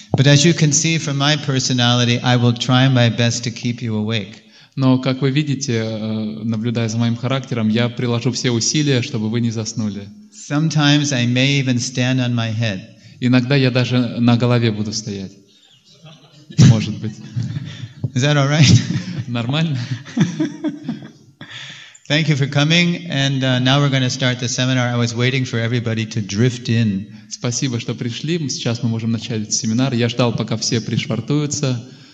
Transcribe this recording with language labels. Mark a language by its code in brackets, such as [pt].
[en] But as you can see from my personality, I will try my best to keep you awake. [ru] Но, как вы видите, наблюдая за моим характером, я приложу все усилия, чтобы вы не заснули. [en] Sometimes I may even stand on my head. [ru] Иногда я даже на голове буду стоять. Может быть. [en] Is that all right? [ru] Нормально. [en] Thank you for coming, and now we're going to start the seminar. I was waiting for everybody to drift in. [ru] Спасибо, что пришли. Сейчас мы можем начать семинар. Я ждал, пока все пришвартуются.